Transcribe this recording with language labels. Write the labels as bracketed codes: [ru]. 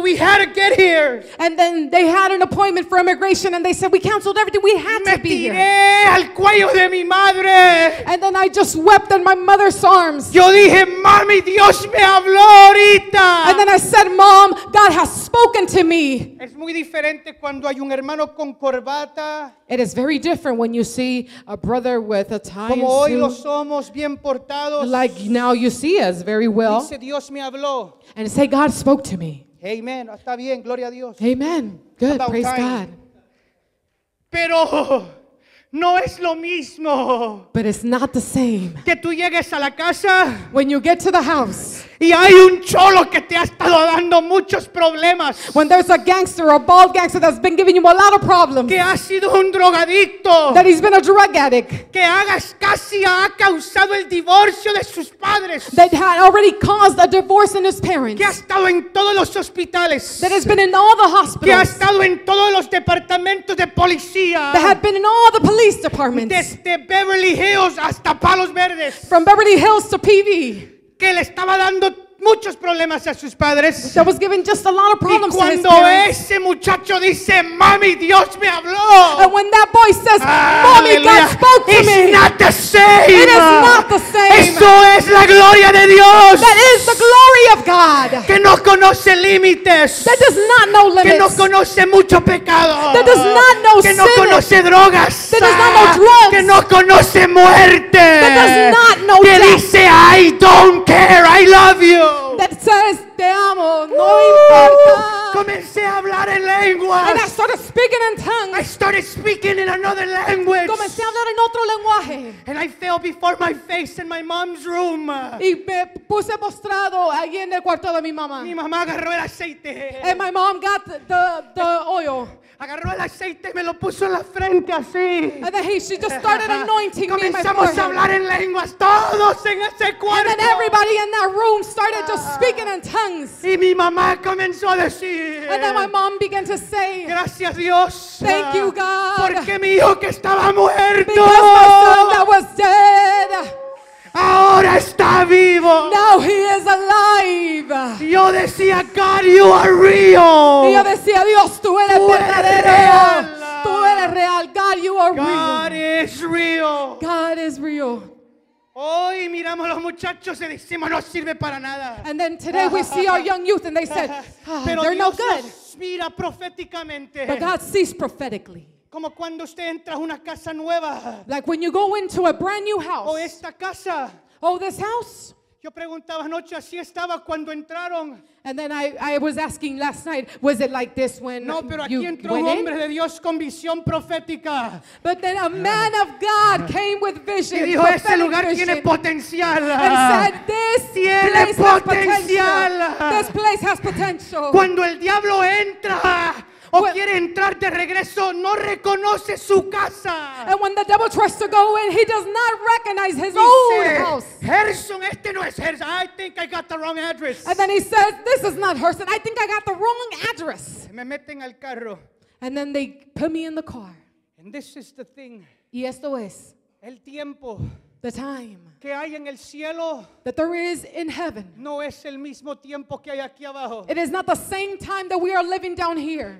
[en] We had to get here. And then they had an appointment for immigration and they said we canceled everything. We had me to be [es] tiré [en] here. [es] Al cuello de mi madre. [en] And then I just wept in my mother's arms. [es] Yo dije, mami, Dios me habló ahorita. [en] And then I said, mom, God has spoken to me. [es] Es muy diferente cuando hay un hermano con corbata. [en] It is very different when you see a brother with a tie [es] como hoy [en] suit, [es] lo somos bien portados, [en] like now you see us very well. [es] Dice, Dios me habló. [en] And say, God spoke to me. [es] Amen. Está bien. Gloria a Dios. [en] Amen. Good. About praise time. God. [es] Pero no es lo mismo. [en] But it's not the same. [es] Que tú llegues a la casa, [en] when you get to the house. [es] Y hay un cholo que te ha estado dando muchos problemas. [en] When there's a gangster, a bald gangster that's been giving you a lot of problems. [es] Que ha sido un drogadicto. [en] That he's been a drug addict. [es] Que casi ha causado el divorcio de sus padres. [en] That had already caused a divorce in his parents. [es] Que ha estado en todos los hospitales. [en] That has been in all the hospitals. [es] Que ha estado en todos los departamentos de policía. [en] That had been in all the police departments. [es] Desde Beverly Hills hasta Palos Verdes. [en] From Beverly Hills to PV. [es] Que le estaba dando muchos problemas a sus padres. [en] That was giving just a lot of problems to his parents. [es] Y cuando ese muchacho dice, mami, Dios me habló. [en] And when that boy says, mami, God spoke to me. It's not the same. It is not the same. [es] Eso es la gloria de Dios. [en] That is the glory of God. [es] Que no conoce límites. [en] That does not know limits. [es] Que no conoce mucho pecado. [en] That does not know sin. [es] Que no conoce drogas. [en] That does not know drugs. [es] Que no conoce muerte. [en] That does not know death. [es] Que dice, [en] I don't care, I love you. That says, [es] te amo, no importa. Comencé a hablar en lenguas. [en] And I started speaking in tongues. I started speaking in another language. [es] Comencé a hablar en otro lenguaje. [en] And I fell before my face in my mom's room. [es] Y me puse postrado allí en el cuarto de mi mamá. Mi mamá agarró el aceite. [en] And my mom got the oil. [es] Agarró el aceite y me lo puso en la frente así. [en] And then she just started anointing me in my forehead. [es] Comenzamos a hablar en lenguas todos en ese cuarto. [en] And then everybody in that room started just speaking in tongues. [es] Y mi mamá comenzó a decir. [en] And then my mom began to say. [es] Gracias Dios. [en] Thank you God. [es] Porque mi hijo que estaba muerto. [en] Because my son that was dead. [es] Ahora está vivo. [en] Now he is alive. [es] Yo decía, [en] God, you are real. [es] Y yo decía, Dios, tú eres verdadero. Tú eres real. [en] God, you are real. God is real. God is real. [es] Hoy miramos a los muchachos y decimos, no sirve para nada. [en] And then today we see our young youth and they said, [es] pero [en] they're [es] Dios [en] no good. [es] Mira proféticamente. [en] But God sees prophetically. [es] Como cuando usted entra a una casa nueva. [en] Like when you go into a brand new house. [es] O esta casa. [en] Oh, this house. [es] Yo preguntaba anoche, así estaba cuando entraron. [en] And then I was asking last night, was it like this when [es] no, pero [en] you [es] aquí entró [en] went [es] un hombre [en] in? [es] De Dios con visión profética. [en] But then a man of God came with vision. [es] Y dijo, este lugar tiene potencial. [en] And said, this [es] tiene [en] place [es] potencial. [en] Has potential. This place has potential. [es] Cuando el diablo entra. O quiere entrar de regreso, no reconoce su casa. [en] And when the devil tries to go in, he does not recognize his own house. Gerson, [es] este no es Gerson. [en] I think I got the wrong address. And then he says, this is not Gerson. I think I got the wrong address. [es] Me meten al carro. [en] And then they put me in the car. And this is the thing. [es] Y esto es. El tiempo. [en] The time. [es] Que hay en el cielo. [en] That there is in heaven. [es] No es el mismo tiempo que hay aquí abajo. [en] It is not the same time that we are living down here.